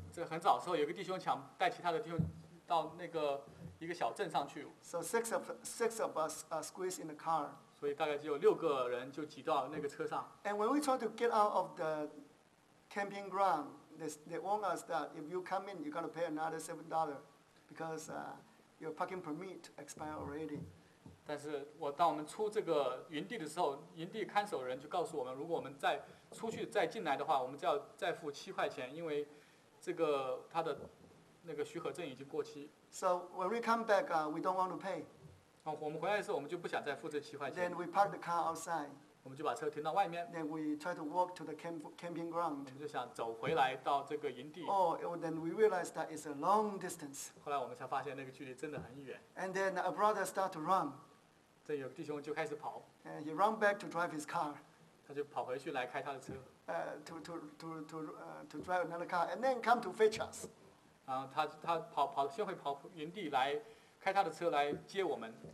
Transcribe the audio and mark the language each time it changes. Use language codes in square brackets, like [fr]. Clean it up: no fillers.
[zh] 这很早的时候，有个弟兄想带其他的弟兄到那个。一个小镇上去。 [en] So six of us are squeezed in the car. [zh] 所以大概只有六个人就挤到那个车上。 [en] And when we try to get out of the camping ground, they warn us that if you come in, you're gonna pay another $7 because your parking permit expired already. [zh] 但是当我们出这个营地的时候，营地看守人就告诉我们，如果我们再出去再进来的话，我们就要再付$7，因为这个他的那个许可证已经过期。 [en] So when we come back, we don't want to pay. [zh] 我们回来的时候，我们就不想再付这$7。 [en] Then we park the car outside. [zh] 我们就把车停到外面。 [en] Then we try to walk to the camping ground. [zh] 我们就想走回来到这个营地。 [en] Oh, then we realize that it's a long distance. [zh] 后来我们才发现那个距离真的很远。 [en] And then a brother start to run. [zh] 这有弟兄就开始跑。 [en] And he run back to drive his car. [zh] 他就跑回去来开他的车。 [en] To drive another car and then come to fetch us. [zh] 他跑先会跑营地来开他的车来接我们。